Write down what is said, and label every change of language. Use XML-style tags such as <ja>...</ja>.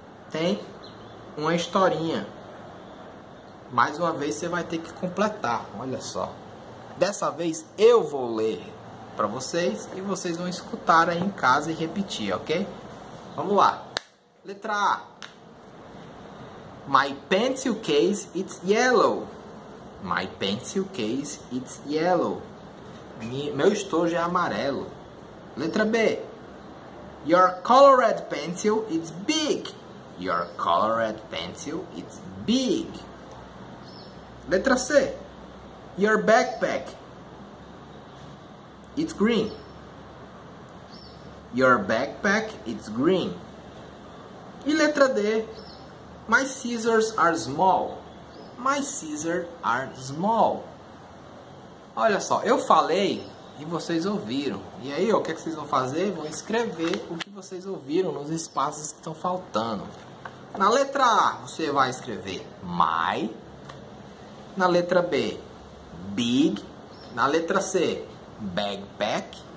<pt>Tem uma historinha. Mais uma vez você vai ter que completar, olha só. Dessa vez eu vou ler para vocês e vocês vão escutar aí em casa e repetir, ok? Vamos lá. Letra A.</pt> <en>My pencil case is yellow. My pencil case is yellow.</en> <pt>Meu estojo é amarelo. Letra B.</pt> <en>Your colored pencil is big. Your colored pencil is big.</en> <pt>Letra C.</pt> <en>Your backpack. It's green. Your backpack is green.</en> <pt>E letra D.</pt> <en>My scissors are small. My scissors are small.</en> <pt>Olha só, eu falei e vocês ouviram. E aí, ó, o que é que vocês vão fazer? Vão escrever o que vocês ouviram nos espaços que estão faltando. Na letra A, você vai escrever my. Na letra B, big. Na letra C, backpack.</pt>